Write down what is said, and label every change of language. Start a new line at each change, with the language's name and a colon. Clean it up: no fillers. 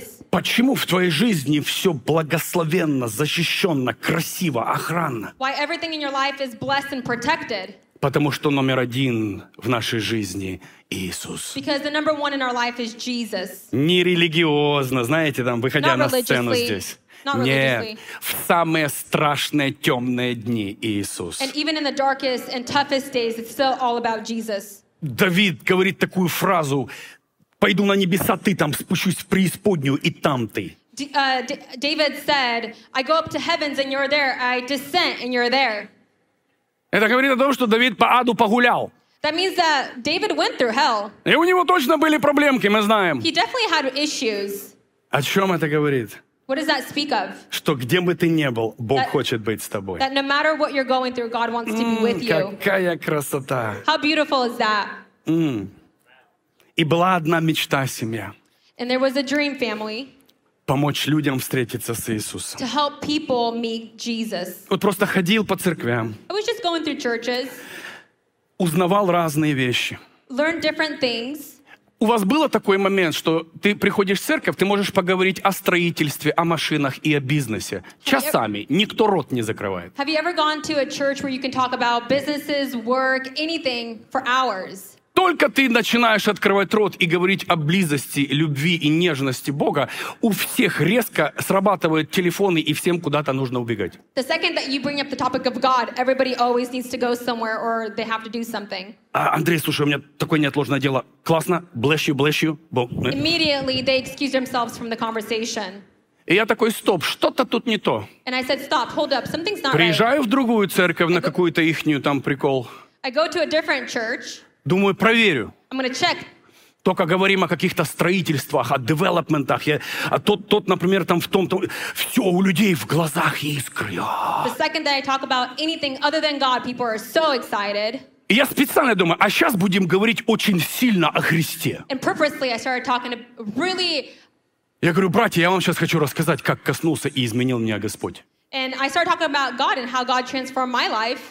Russian: Почему в твоей жизни все благословенно, защищенно, красиво, охранно?
English: Why everything in your life is blessed and protected?
Russian: Потому что номер один в нашей жизни Иисус.
English: Because the number one in our life is Jesus.
Russian: Не религиозно, знаете, там, выходя на сцену здесь. Нет, в самые страшные темные дни Иисус.
English: And even in the darkest and toughest days, it's still all about Jesus.
Russian: Давид говорит такую фразу: «Пойду на небеса, ты там спущусь в преисподнюю, и там ты».
English: David said, «I go up to heavens, and you're there. I descend, and you're there».
Russian: Это говорит о том, что Давид по аду погулял.
English: That means that David went through hell.
Russian: И у него точно были проблемки, мы знаем.
English: He definitely had issues.
Russian: О чем это говорит?
English: What does that speak of?
Russian: Что где бы ты ни был, Бог хочет быть с тобой.
English: That no matter what you're going through, God wants to be with you.
Russian: Какая красота!
English: How beautiful is that?
Russian: И была одна мечта, семья.
English: And there was a dream family.
Russian: Помочь людям встретиться с Иисусом.
English: To help people meet Jesus.
Russian: Вот просто ходил по церквям.
English: I was just going through churches.
Russian: Узнавал разные вещи.
English: Learned different things.
Russian: У вас был такой момент, что ты приходишь в церковь, ты можешь поговорить о строительстве, о машинах и о бизнесе. Часами. Никто рот не закрывает.
English: Have you ever gone to a church where you can talk about businesses, work, anything for hours?
Russian: Только ты начинаешь открывать рот и говорить о близости, любви и нежности Бога, у всех резко срабатывают телефоны, и всем куда-то нужно убегать.
English: The second that you bring up the topic of God, everybody always needs to go somewhere or they have to do something.
Russian: Андрей, слушай, у меня такое неотложное дело. Классно.
English: Bless you.
Russian: Бог.
English: Immediately they excuse themselves from the conversation.
Russian: И я такой, стоп, что-то тут не то.
English: And I said, stop, hold up, something's not
Russian: приезжаю
English: right.
Russian: В другую церковь на какую-то ихнюю там прикол.
English: I go to a different church.
Russian: Думаю, проверю.
English: I'm gonna check.
Russian: Только говорим о каких-то строительствах, о девелопментах. Тот, например, там в том, все у людей в глазах искры.
English: The second that I talk about anything other than God, people are so excited.
Russian: И я специально думаю, а сейчас будем говорить очень сильно о Христе.
English: And purposely I started talking really...
Russian: Я говорю, братья, я вам сейчас хочу рассказать, как коснулся и изменил меня Господь.
English: And I started talking about God and how God transformed my life.